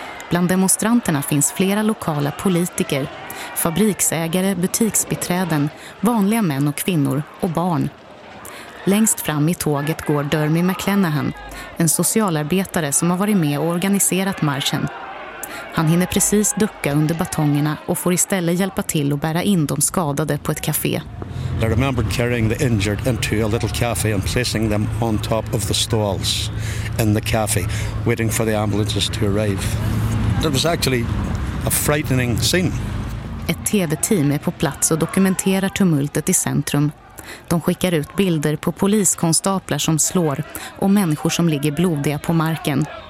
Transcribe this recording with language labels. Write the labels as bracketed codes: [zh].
[sv] Bland demonstranterna finns flera lokala politiker, fabriksägare, butiksbiträden, vanliga män och kvinnor och barn. Längst fram i tåget går Dermy McClenahan, en socialarbetare som har varit med och organiserat marschen. Han hinner precis ducka under batongerna och får istället hjälpa till att bära in de skadade på ett café. [en] They remembered carrying the injured into a little cafe and placing them on top of the stalls in the cafe, waiting for the ambulances to arrive. It was actually a frightening scene. [sv] Ett TV-team är på plats och dokumenterar tumultet i centrum. De skickar ut bilder på poliskonstaplar som slår och människor som ligger blodiga på marken.